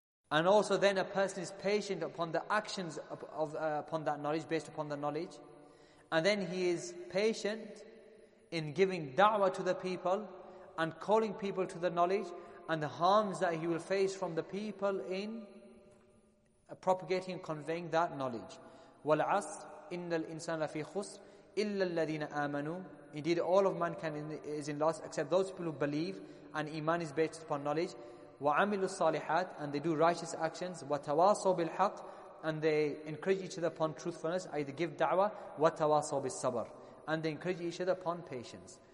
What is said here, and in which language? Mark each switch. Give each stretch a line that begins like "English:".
English: And also then a person is patient upon the actions upon that knowledge, based upon the knowledge. And then he is patient in giving da'wah to the people and calling people to the knowledge, and the harms that he will face from the people in propagating and conveying that knowledge.
Arabic: Wal'asr, إِنَّ الْإِنسَانَ لَفِي خُسْرٍ إِلَّا الَّذِينَ آمَنُوا.
English: Indeed, all of mankind is in loss except those people who believe, and iman is based upon knowledge.
Arabic: وَعَمِلُوا الصَّالِحَاتِ,
English: and they do righteous actions.
Arabic: وَتَوَاصَوْا بِالْحَقِّ,
English: and they encourage each other upon truthfulness, either give da'wah.
Arabic: وَتَوَاصَوْا بِالصَّبَرِ,
English: and they encourage each other upon patience.